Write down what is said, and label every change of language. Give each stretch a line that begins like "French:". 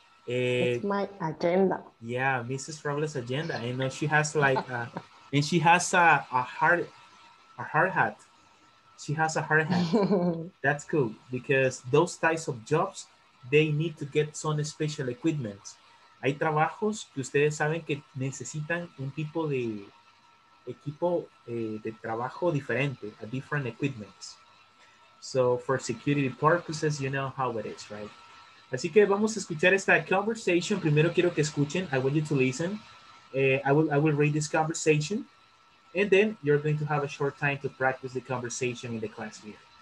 English: It's my agenda. Yeah, Mrs. Robles' agenda. And she has like, and she has a hard hat. She has a hard hat. That's cool, because those types of jobs, they need to get some special equipment.
Spanish: Hay trabajos que ustedes saben que necesitan un tipo de equipo de trabajo diferente,
English: a different equipment. So for security purposes, you know how it is, right?
Spanish: Así que vamos a escuchar esta conversation. Primero quiero que escuchen.
English: I want you to listen. I will read this conversation. And then you're going to have a short time to practice the conversation in the class here.